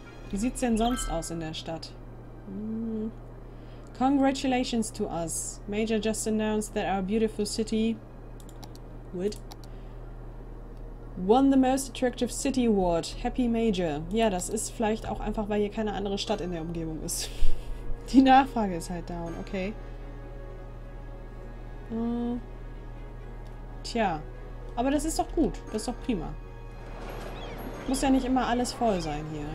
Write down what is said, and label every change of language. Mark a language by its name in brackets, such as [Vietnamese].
[German] Wie sieht's denn sonst aus in der Stadt? [English] Congratulations to us. Major just announced that our beautiful city would won the most attractive city award. Happy Major. [German] Ja, das ist vielleicht auch einfach, weil hier keine andere Stadt in der Umgebung ist. Die Nachfrage ist halt down, okay. Tja. Aber das ist doch gut. Das ist doch prima. Muss ja nicht immer alles voll sein hier.